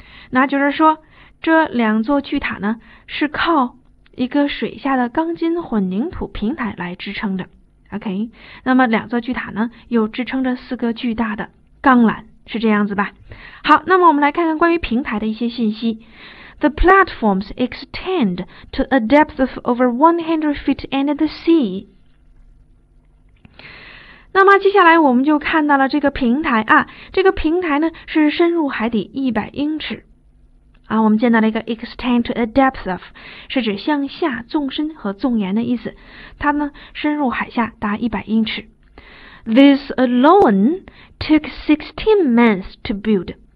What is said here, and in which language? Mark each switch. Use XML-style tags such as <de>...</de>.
<zh>那就是说这两座巨塔呢是靠一个水下的钢筋混凝土平台来支撑的。OK, 那么两座巨塔呢又支撑着四个巨大的钢缆，是这样子吧。好，那么我们来看看关于平台的一些信息。</zh> <en>The platforms extend to a depth of over 100 feet under the sea.</en> <zh>那么接下来我们就看到了这个平台啊，这个平台呢是深入海底100英尺。啊，我们见到了一个</zh> <en>extend to a depth of，</en> <zh>是指向下纵深和纵延的意思。它呢深入海下达100英尺。</zh> <en>This alone took 16 months to build.</en>